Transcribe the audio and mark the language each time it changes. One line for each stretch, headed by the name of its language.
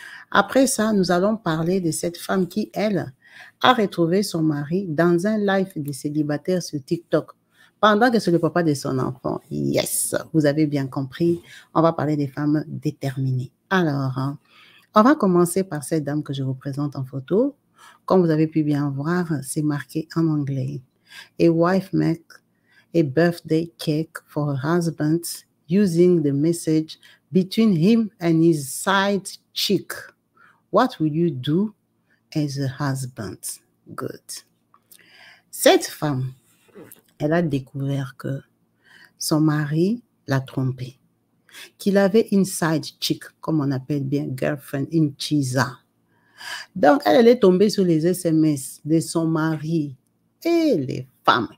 French: Après ça, nous allons parler de cette femme qui, elle, a retrouvé son mari dans un live de célibataire sur TikTok pendant que c'est le papa de son enfant. Yes, vous avez bien compris. On va parler des femmes déterminées. Alors, hein, on va commencer par cette dame que je vous présente en photo. Comme vous avez pu bien voir, c'est marqué en anglais.
English: A wife makes a birthday cake for her husband using the message between him and his side chick. What will you do as a husband? Good.
French: Cette femme, elle a découvert que son mari l'a trompée, qu'il avait une side chick, comme on appelle bien girlfriend, une chisa. Donc, elle est tombée sur les SMS de son mari et les femmes.